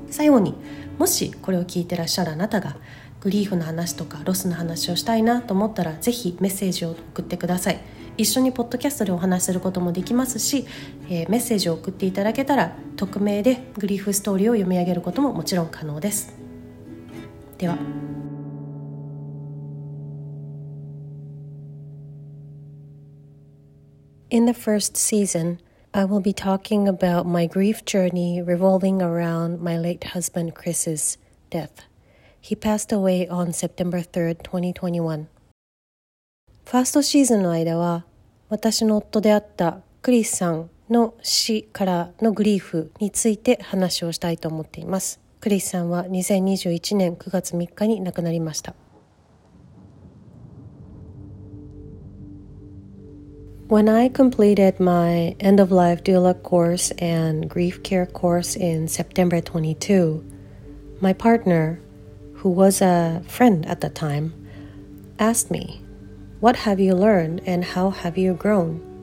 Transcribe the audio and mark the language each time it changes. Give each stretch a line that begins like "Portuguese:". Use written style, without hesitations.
Japanese: 最後に、もしこれを聞いてらっしゃるあなたがグリーフの話とかロスの話をしたいなと思ったら、ぜひメッセージを送ってください。一緒にポッドキャストでお話しすることもできますし、メッセージを送っていただけたら匿名でグリーフストーリーを読み上げることももちろん可能です。では、
English: In the first season, I will be talking about my grief journey revolving around my late husband Chris's death. He passed away on September 3rd, 2021.
Japanese: ファーストシーズンの間は、私の夫であったクリスさんの死からのグリーフについて話をしたいと思っています。クリスさんは2021年9月3日に亡くなりました。
English: When I completed my end-of-life doula course and grief care course in September 22, my partner, who was a friend at the time, asked me, "What have you learned and how have you grown?